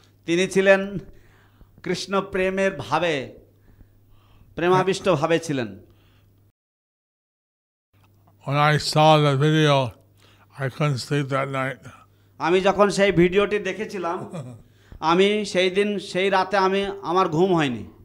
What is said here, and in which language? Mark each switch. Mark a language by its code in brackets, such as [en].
[bn] তিনি ছিলেন কৃষ্ণ প্রেমের ভাবে প্রেমাবিষ্ট ভাবে ছিলেন [en] When I saw the video, I couldn't sleep that night. [bn] আমি যখন সেই ভিডিওটি দেখেছিলাম আমি সেই দিন সেই রাতে আমি আমার ঘুম হয়নি